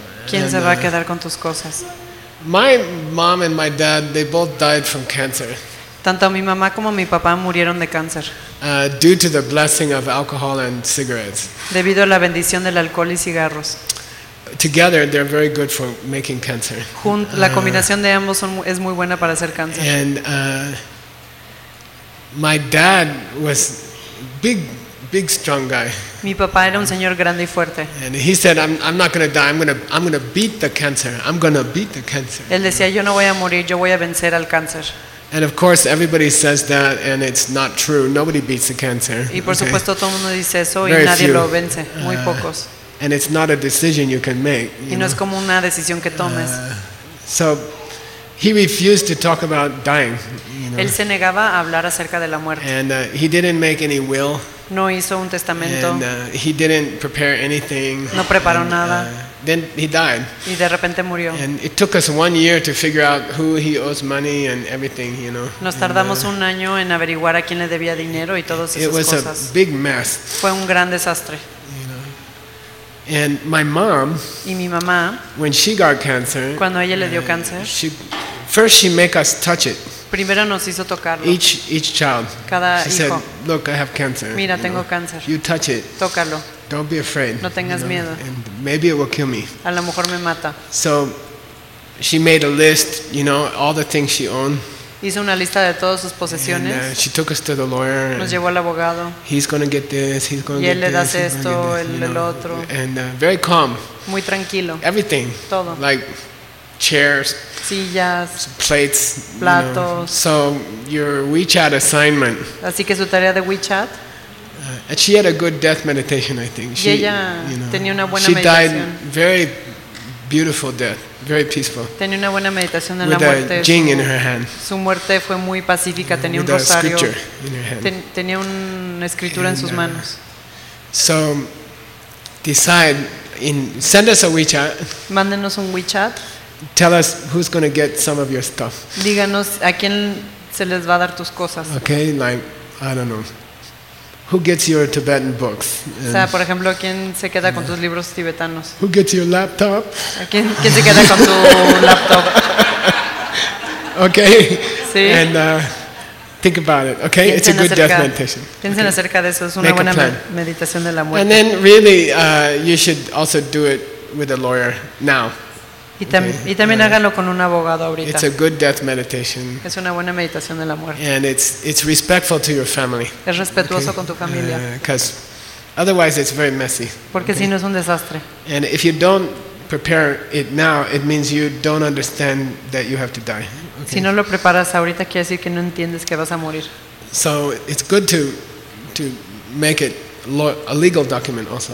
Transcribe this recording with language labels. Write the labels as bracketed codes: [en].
[es] ¿Quién se va a quedar con tus cosas? [en] My mom and my dad, they both died from cancer. [es] Tanto mi mamá como mi papá murieron de cáncer. [en] Due to the blessing of alcohol and cigarettes. [es] Debido a la bendición del alcohol y cigarros. [en] Together, they're very good for making cancer. [es] La combinación de ambos es muy buena para hacer cáncer. [en] And my dad was big. Big strong guy. [es] Mi papá era un señor grande y fuerte. [en] And he said, "I'm not going to die. I'm going to beat the cancer. I'm going to beat the cancer." [es] Él decía, "Yo no voy a morir. Yo voy a vencer al cáncer." [en] And of course, everybody says that, and it's not true. Nobody beats the cancer. [es] Y por supuesto, todo el mundo dice eso y nadie lo vence. Muy pocos. [en] And it's not a decision you can make. [es] Y no es como una decisión que tomes. [en] So he refused to talk about dying. [es] Él se negaba a hablar acerca de la muerte. [en] And he didn't make any will. [es] No hizo un testamento. [en] And, he didn't prepare anything. [es] No preparó nada. [en] Then he died. [es] Y de repente murió. [en] And it took us 1 year to figure out who he owes money and everything, you know. [es] Nos tardamos un año en averiguar a quién le debía dinero y todas esas cosas. [en] It was a big mess. [es] Fue un gran desastre. [en] And my mom. [es] Y mi mamá. [en] When she got cancer. [es] Cuando ella le dio cáncer. [en] First she make us touch it. [es] Primero nos hizo tocarlo. [en] Each child. [es] Cada [en] she [es] hijo. [en] Said, "Look, I have cancer." [es] Mira, tengo cáncer. [en] You touch it. [es] Tócalo. [en] Don't be afraid. [es] No tengas miedo. [en] And maybe it will kill me. [es] A lo mejor me mata. [en] So she made a list, you know, all the things she owned. [es] Hizo una lista de todas sus posesiones. [en] And, she took us to the lawyer. [es] Nos llevó al abogado. [en] He's going to get this. He's going to get this. [es] Y él le da esto, el otro. [en] And very calm. [es] Muy tranquilo. [en] Everything. [es] Todo. [en] Like chairs, [es] sillas, [en] plates, [es] platos. [en] You know. So your WeChat assignment. [es] Así que su tarea de WeChat. [en] And she had a good death meditation, I think. [es] Y ella, [en] you know, [es] tenía una buena [en] she [es] meditación. [en] Died very beautiful death, very peaceful. [es] Tenía una buena meditación en [en] with [es] la muerte. [en] With a jing in her hand. [es] Su muerte fue muy pacífica. Tenía un rosario. [en] With a scripture in her hand. [es] Tenía una escritura en sus manos. [en] So decide, send us a WeChat. [es] Mándenos un WeChat. [en] Tell us who's going to get some of your stuff. [es] Díganos a quién se les va a dar tus cosas. [en] Okay, like I don't know. Who gets your Tibetan books? [es] O sea, por ejemplo, ¿quién se queda con tus libros tibetanos? [en] Who gets your laptop? [es] ¿Quién se queda con tu laptop? [en] Okay. [es] Sí. [en] And think about it. Okay, it's a good death meditation. [es] Piensen acerca de eso, es una buena meditación de la muerte. [en] And then really you should also do it with a lawyer now. [es] Y también háganlo con un abogado ahorita. [en] It's a good death meditation. [es] Es una buena meditación de la muerte. [en] And it's respectful to your family. [es] Es respetuoso con tu familia. [en] Because otherwise it's very messy. [es] Porque si no es un desastre. [en] And if you don't prepare it now, it means you don't understand that you have to die. [es] Okay. Si no lo preparas ahorita, quiere decir que no entiendes que vas a morir. [en] So it's good to make it a legal document also.